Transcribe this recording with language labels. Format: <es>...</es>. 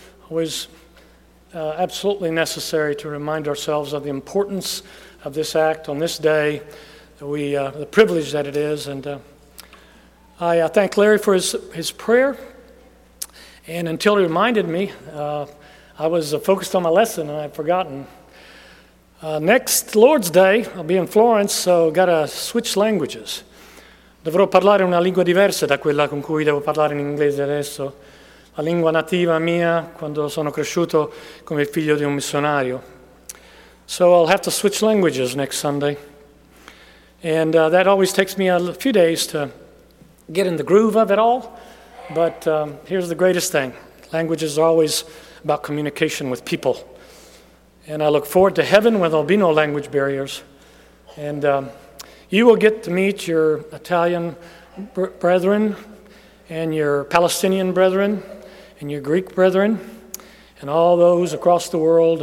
<en>Always absolutely necessary to remind ourselves of the importance of this act on this day, the privilege that it is. And I thank Larry for his prayer. And until he reminded me, I was focused on my lesson and I had forgotten. Next Lord's Day, I'll be in Florence, so gotta switch languages.</en> <it>Dovrò parlare una lingua diversa da quella con cui devo parlare in inglese adesso. La lingua nativa mia quando sono cresciuto come figlio di un missionario.</it> <en>So I'll have to switch languages next Sunday. And that always takes me a few days to get in the groove of it all. But here's the greatest thing. Languages are always about communication with people. And I look forward to heaven where there'll be no language barriers. And you will get to meet your Italian brethren and your Palestinian brethren and your Greek brethren and all those across the world.</en>